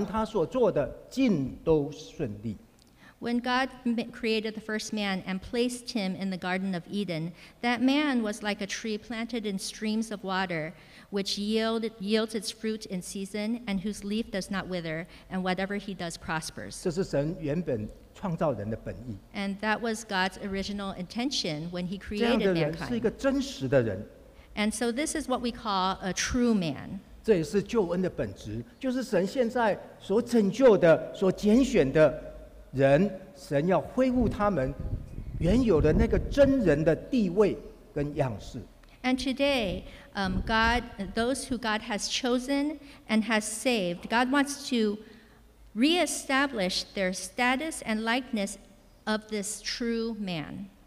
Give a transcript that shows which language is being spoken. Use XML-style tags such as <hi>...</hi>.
<zh>在伊甸园里，他把人放在当中，就像一棵树被栽在溪水旁，按时候结果子，叶子也不枯干，凡他所做的尽都顺利。</zh> <en>When God created the first man and placed him in the Garden of Eden, that man was like a tree planted in streams of water, which yields its fruit in season, and whose leaf does not wither, and whatever he does prospers.</en> <zh>这是神原本创造人的本意。</zh> <en>And that was God's original intention when he created mankind.</en> <zh>这样的人是一个真实的人。</zh> <en>And so this is what we call a true man.</en> <zh>这也是救恩的本质，就是神现在所拯救的、所拣选的。人，神要恢复他们原有的那个真人的地位跟样式。</zh> <en>And today, God, those who God has chosen and has saved, God wants to reestablish their status and likeness of this true man.</en>